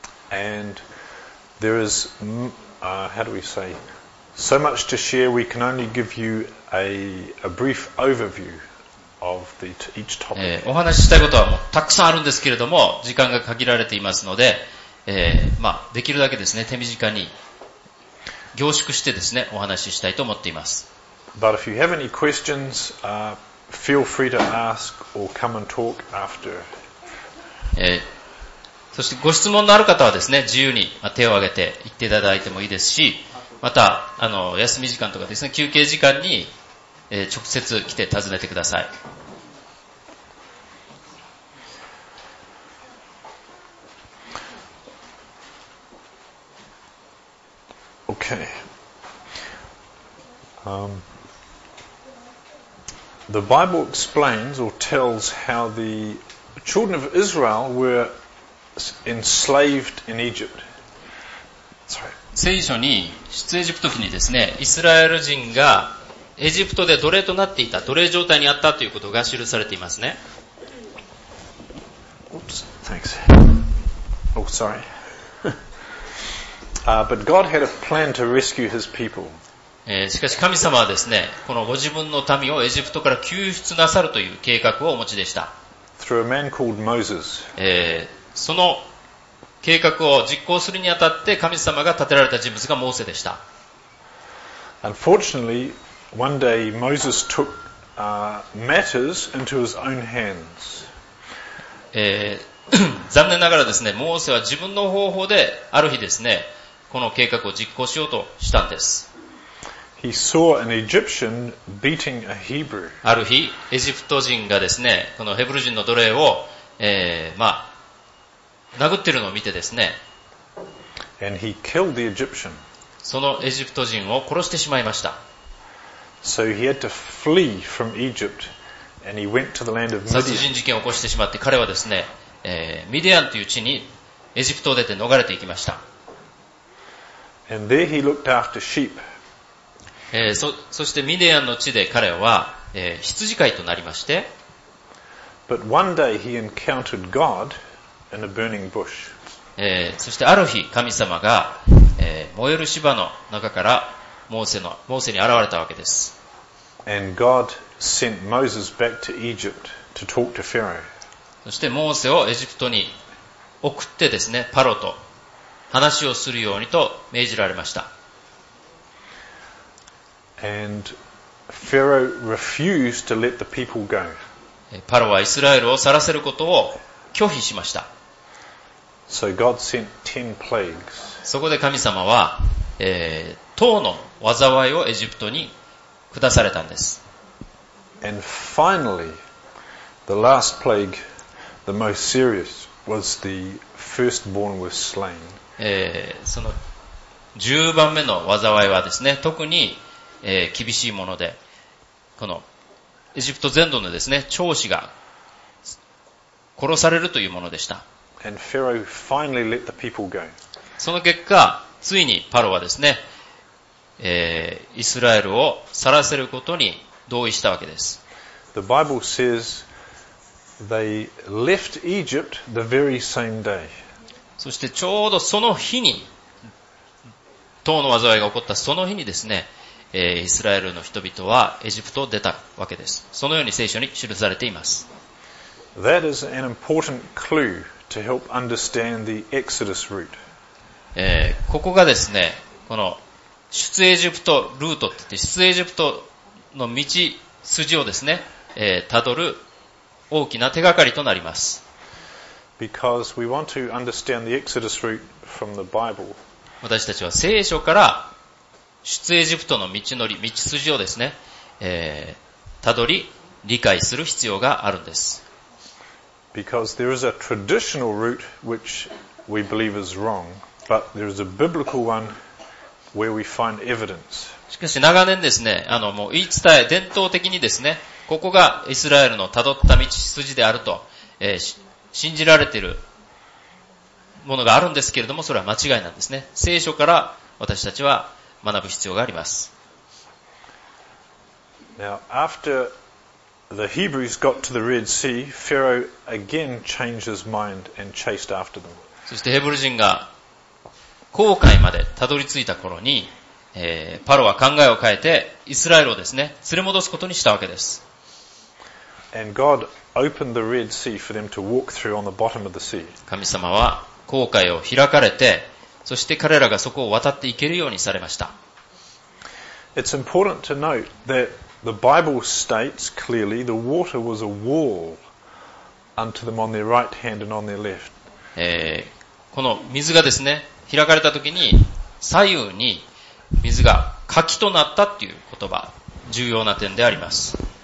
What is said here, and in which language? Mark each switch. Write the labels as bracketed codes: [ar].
[en] And there is, how do we say, so much to share, we can only give you a brief overview of each topic. [ja] お話ししたいことはもうたくさんあるんですけれども、時間が限られていますので、まあ、できるだけですね、手短に凝縮してですね、お話ししたいと思っています。 [en] But if you have any questions, feel free to ask or come and talk after. [ja] そしてご質問のある方はですね、自由に手を挙げて言っていただいてもいいですし、また、休み時間とかですね、休憩時間に、直接来て尋ねてください。 [en] Okay. The Bible explains or tells how the children of Israel were enslaved in Egypt. Sorry. [ja] 聖書に出エジプト記にですね、イスラエル人がエジプトで奴隷となっていた、奴隷状態にあったということが記されていますね。 [en] Oops, thanks. Oh, sorry. but God had a plan to rescue His people. [ja] しかし神様はですね、このご自分の民をエジプトから救出なさるという計画をお持ちでした。 [en] Through a man called Moses. [ja] その計画を実行するにあたって神様が立てられた人物がモーセでした。 [en] Unfortunately, one day Moses took matters into his own hands. [ja] 残念ながらですね、モーセは自分の方法である日ですね、この計画を実行しようとしたんです。 [en] He saw an Egyptian beating a Hebrew. [ja] ある日、エジプト人がですね、このヘブル人の奴隷を、殴っているのを見てですね、 [en] And he killed the Egyptian. [ja] そのエジプト人を殺してしまいました。 [en] So he had to flee from Egypt, and he went to the land of [ja] Midian. 殺人事件を起こしてしまって、彼はですね、ミディアンという地にエジプトを出て逃れていきました。 [en] And there he looked after sheep. [ja] そしてミディアンの地で彼は、羊飼いとなりまして、 [en] But one day he encountered God in a burning bush. [ja] そしてある日神様が、燃える芝の中からモーセに現れたわけです。 [en] And God sent Moses back to Egypt to talk to Pharaoh. [ja] そしてモーセをエジプトに送ってですね、パロと話をするようにと命じられました。 [en] And Pharaoh refused to let the people go. [ja] パロはイスラエルを去らせることを拒否しました。 [en] So God sent 10 plagues. [ja] そこで神様は、10の災いをエジプトに下されたんです。 [en] And finally, the last plague, the most serious, was the firstborn was slain. [ja] その10番目の災いはですね、特に厳しいもので、このエジプト全土のですね、長子が殺されるというものでした。 [en] And Pharaoh finally let the people go. [ja] その結果、ついにパロはですね、イスラエルを去らせることに同意したわけです。 [en] The Bible says they left Egypt the very same day. [ja] そしてちょうどその日に、塔の災いが起こったその日にですね、イスラエルの人々はエジプトを出たわけです。そのように聖書に記されています。 [en] That is an important clue to help understand the Exodus route. [ja] ここがですね、この出エジプトルートって言って出エジプトの道筋をですね、たどる大きな手がかりとなります。 [en] Because we want to understand the Exodus route from the Bible. [ja] 私たちは聖書から出エジプトの道のり、道筋をですね、たどり、理解する必要があるんです。 [en] Because there is a traditional route which we believe is wrong, but there is a biblical one where we find evidence. [ja] しかし長年ですね、もう言い伝え、伝統的にですね、ここがイスラエルのたどった道筋であると、信じられているものがあるんですけれども、それは間違いなんですね。聖書から私たちは学ぶ必要があります。 [en] Now, after the Hebrews got to the Red Sea, Pharaoh again changed his mind and chased after them. [ja] そしてヘブル人が紅海までたどり着いた頃に、パロは考えを変えてイスラエルをですね、連れ戻すことにしたわけです。 [en] And God opened the Red Sea for them to walk through on the bottom of the sea. [ja] 神様は紅海を開かれて、そして彼らがそこを渡っていけるようにされました。 [en] It's important to note that the Bible states clearly the water was a wall unto them on their right hand and on their left. [ja] この水がですね、開かれた時に左右に水が垣となったっていう言葉、重要な点であります。